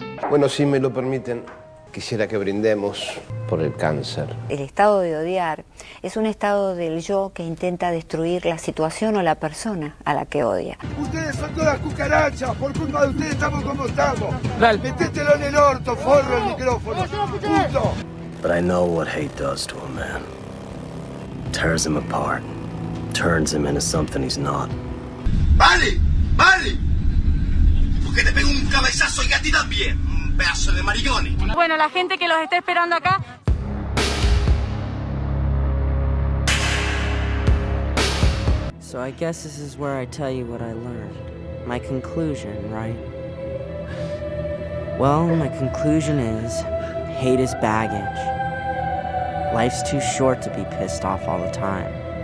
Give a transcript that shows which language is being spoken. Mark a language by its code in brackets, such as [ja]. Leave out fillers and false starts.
[es] Bueno, si me lo permiten, quisiera que brindemos por el cáncer. El estado de odiar es un estado del yo que intenta destruir la situación o la persona a la que odia. Ustedes son todas cucarachas, por culpa de ustedes estamos como estamos. Dale. Métetelo en el orto, forro el micrófono. Puto. [en] But I know what hate does to a man. Tears him apart. Turns him into something he's not. [es] ¡Vale! ¡Vale! ¿Por qué te pego un cabezazo y a ti también? Pedazo de marigones. Bueno, la gente que los está esperando acá. [en] So I guess this is where I tell you what I learned. My conclusion, right? Well, my conclusion is, hate is baggage. Life's too short to be pissed off all the time.